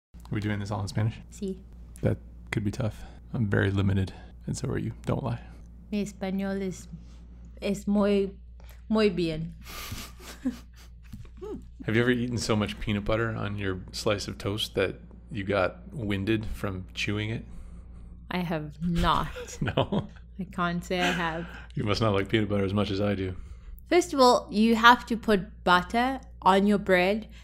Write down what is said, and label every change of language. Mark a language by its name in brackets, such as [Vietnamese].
[English] We're doing this all in Spanish? [Spanish] Sí. [English] That could be tough. I'm very limited, and so are you. Don't lie. [Spanish] Mi español es muy, muy bien. [English] Have you ever eaten so much peanut butter on your slice of toast that you got winded from chewing it? I have not. No? I can't say I have. You must not like peanut butter as much as I do. First of all, you have to put butter on your bread.